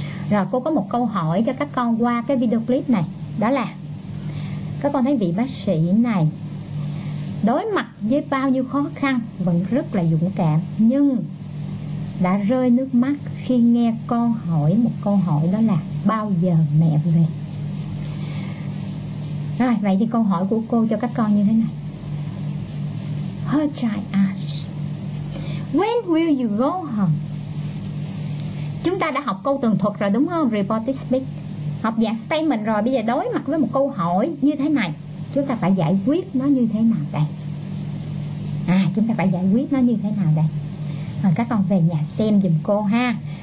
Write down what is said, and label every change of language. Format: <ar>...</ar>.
<vi>Rồi cô có một câu hỏi cho các con qua cái video clip này. Đó là các con thấy vị bác sĩ này đối mặt với bao nhiêu khó khăn vẫn rất là dũng cảm, nhưng đã rơi nước mắt khi nghe con hỏi một câu hỏi, đó là bao giờ mẹ về. Rồi vậy thì câu hỏi của cô cho các con như thế này.</vi> <en>Her child asks, when will you go home?</en> <vi>Chúng ta đã học câu tường thuật rồi đúng không? Reported speak. Học dạng statement rồi. Bây giờ đối mặt với một câu hỏi như thế này, chúng ta phải giải quyết nó như thế nào đây? À, chúng ta phải giải quyết nó như thế nào đây? Rồi các con về nhà xem giùm cô ha.</vi>